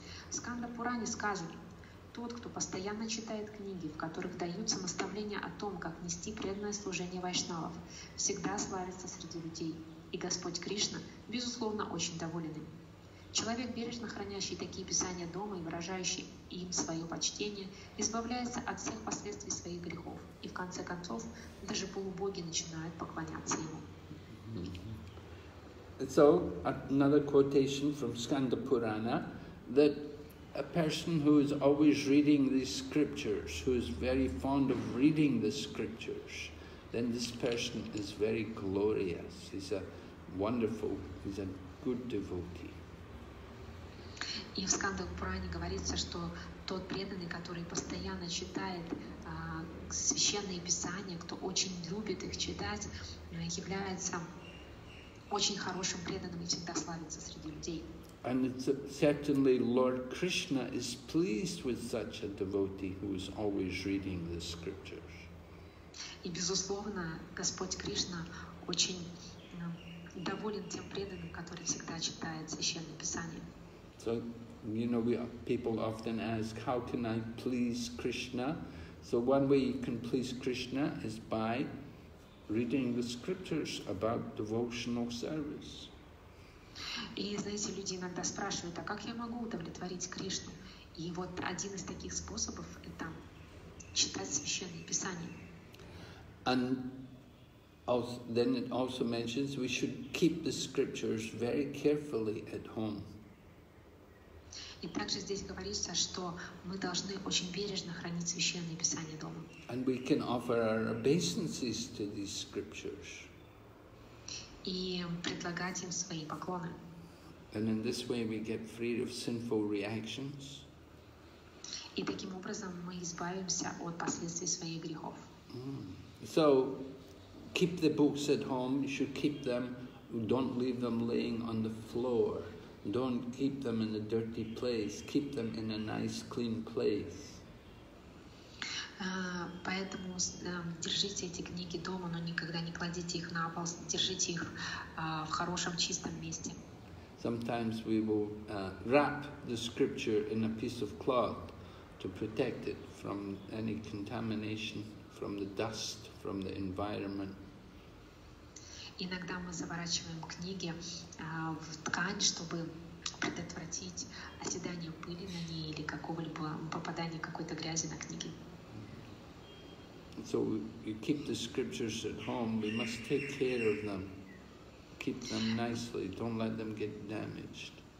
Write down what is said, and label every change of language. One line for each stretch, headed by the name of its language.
Russian: Сканда Пуране сказано: тот, кто постоянно читает книги, в которых даются наставления о том, как нести преданное служение вайшнавов, всегда славится среди людей, и Господь Кришна, безусловно, очень доволен им. Человек, бережно хранящий такие писания дома и выражающий им свое почтение, избавляется от всех последствий своих грехов, и в конце концов даже полубоги начинают поклоняться ему.
English: So, another quotation from Skanda Purana, that a person who is always reading these scriptures, who is very fond of reading the scriptures, then this person is very glorious. He's a wonderful, he's a good devotee.
Russian: И в Сканда Пуране говорится, что тот преданный, который постоянно читает священные писания, кто очень любит их читать, является очень хорошим преданным и всегда славится среди людей.
English: And it's certainly Lord Krishna is pleased with such a devotee who is always reading the scriptures.
Russian: И безусловно, Господь Кришна очень доволен тем преданным, который всегда читает священные писания.
English: So, you know, people often ask, how can I please Krishna? So one way you can please Krishna is by reading the scriptures about devotional service.
Russian: И, знаете, люди иногда спрашивают, а как я могу удовлетворить Кришну? И вот один из таких способов – это читать священные писания.
English: And also, then it also mentions we should keep the scriptures very carefully at home.
Russian: И также здесь говорится, что мы должны очень бережно хранить священные писания дома.
English: And we can offer our obeisances to these scriptures.
Russian: И предлагать им свои поклоны.
English: And in this way we get free of sinful reactions.
Russian: И таким образом мы избавимся от последствий своих грехов.
English: So, keep the books at home, you should keep them, don't leave them laying on the floor. Don't keep them in a dirty place, keep them in a nice clean place.
Russian: Поэтому держите эти книги дома, но никогда не кладите их на пол, держите их в хорошем чистом месте.
English: Sometimes we will wrap the scripture in a piece of cloth to protect it from any contamination, from the dust, from the environment.
Russian: Иногда мы заворачиваем книги в ткань, чтобы предотвратить оседание пыли на ней или какого-либо попадания какой-то грязи на книги.
English: So you keep the scriptures at home, we must take care of them. Keep them nicely, don't let them get damaged.